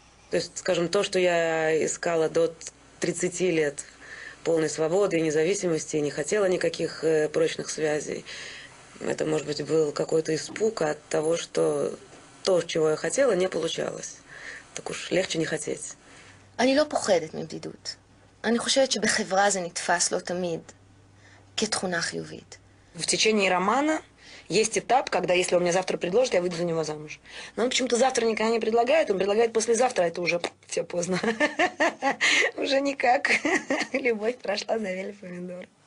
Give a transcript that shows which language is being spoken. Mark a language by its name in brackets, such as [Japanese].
[Russian] То есть, скажем, то, что я искала до 30 лет полной свободы и независимости, и не хотела никаких прочных связей, это, может быть, был какой-то испуг от того, что то, чего я хотела, не получалось. Так уж легче не хотеть. [Hebrew] אני לא פוחדת מבדידות. אני חושבת שבחברה זה נתפס לא תמיד כתכונה חיובית. [Russian] В течение романа есть этап, когда если он мне завтра предложит, я выйду за него замуж. Но он почему-то завтра никогда не предлагает, он предлагает послезавтра, это уже все поздно. Уже никак. Любовь прошла, завели помидор.